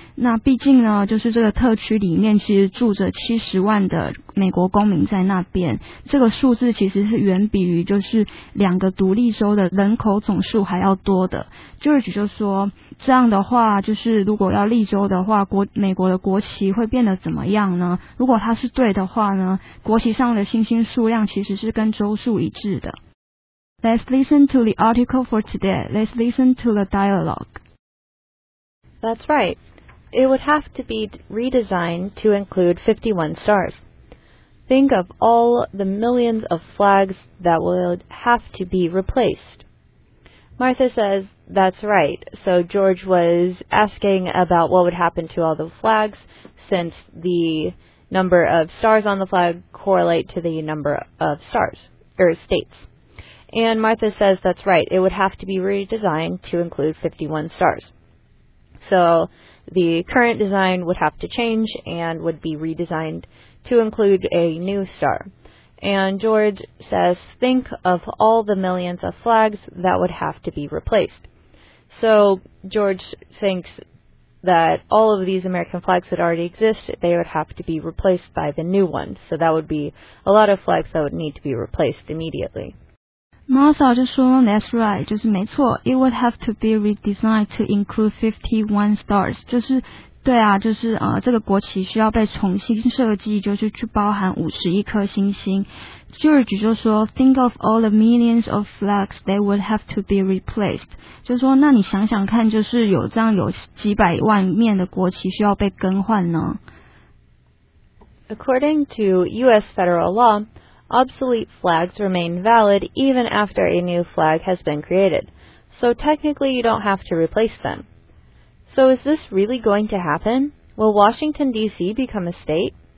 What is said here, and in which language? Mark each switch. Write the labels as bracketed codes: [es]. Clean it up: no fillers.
[zh] 那毕竟呢，就是这个特区里面其实住着70万的美国公民在那边，这个数字其实是远比于就是两个独立州的人口总数还要多的。 George 就说，这样的话，就是如果要立州的话，美国的国旗会变得怎么样呢？如果他是对的话呢，国旗上的星星数量其实是跟州数一致的。 [en] Let's listen to the article for today. Let's listen to the dialogue. That's right. It would have to be redesigned to include 51 stars. Think of all the millions of flags that would have to be replaced. Martha says, that's right. So George was asking about what would happen to all the flags since the number of stars on the flag correlate to the number of stars, or states. And Martha says, that's right, it would have to be redesigned to include 51 stars. So the current design would have to change and would be redesigned to include a new star. And George says, think of all the millions of flags that would have to be replaced. So George thinks that all of these American flags that already exist, they would have to be replaced by the new one. So that would be a lot of flags that would need to be replaced immediately. [zh] Martha 就说 [en] That's right, [zh] 就是没错 [en] It would have to be redesigned to include 51 stars [zh] 就是对啊就是这个国旗需要被重新设计就是去包含51颗星星 George 就说 [en] Think of all the millions of flags that would have to be replaced [zh] 就说那你想想看就是有这样有几百万面的国旗需要被更换呢 [en] According to US federal lawObsolete flags remain valid even after a new flag has been created, so technically you don't have to replace them. So is this really going to happen? Will Washington, D.C. become a state?